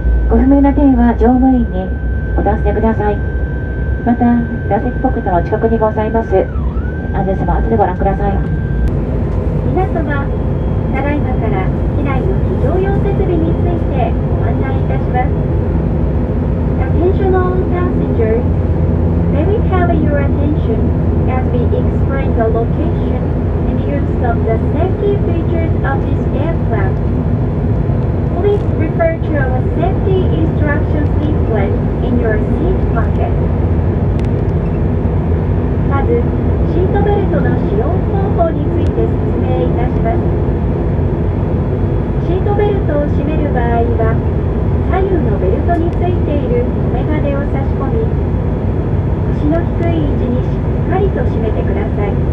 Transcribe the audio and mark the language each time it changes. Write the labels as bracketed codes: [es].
[ja] ご不明な点は乗務員にお尋ねください。また、座席ポケットの近くにございます。安全様、後でご覧ください。皆様、ただいまから機内の非常用設備についてご案内いたします。 [en] Attentional passengers, may we have your attention as we explain the location and use of the safety features of this aircraft. Please refer to our safety instruction leaflet in your seat pocket. [ja] まず、シートベルトの使用方法について説明いたします。シートベルトを締める場合は、左右のベルトについているメガネを差し込み、腰の低い位置にしっかりと締めてください。